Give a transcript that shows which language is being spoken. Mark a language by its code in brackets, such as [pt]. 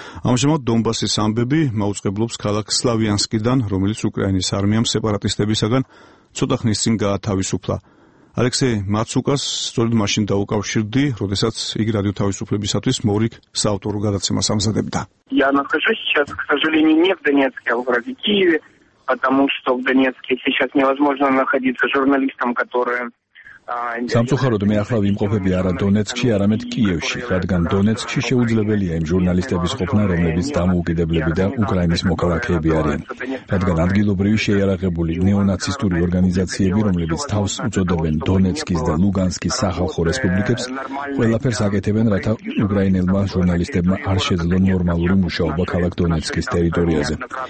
[ka] ამჟამად დონბასის ამბები მაუწყებლობს ქალაქ სლავიანსკიდან, რომელიც უკრაინის არმიამ სეპარატისტებისაგან ცოტა ხნის წინ გაათავისუფლა. ალექსეი მაცუკას სწორედ მაშინ დაუკავშირდი, როდესაც იგი რადიო თავისუფლებისათვის მორიგ საავტორო გადაცემას ამზადებდა. [ru] Я нахожусь сейчас, к сожалению, не в Донецке, а в городе Киеве, потому что в Донецке сейчас невозможно находиться журналистам, которые [ka] სამწუხაროდ მე ახლა ვიმყოფები არა დონეცკში, არამედ კიევში, რადგან დონეცკში შეუძლებელია იმ ჟურნალისტების ყოფნა, რომლებიც დამოუკიდებლები და უკრაინის მოქალაქეები არიან. რადგან ადგილობრივი შეიარაღებული ნეონაცისტური ორგანიზაციები, რომლებიც თავს უწოდებენ დონეცკის და ლუგანსკის სახალხო რესპუბლიკებს, ყველაფერს აკეთებენ, რათა უკრაინელმა ჟურნალისტებმა არ შეძლონ ნორმალური მუშაობა ქალაქ დონეცკის ტერიტორიაზე.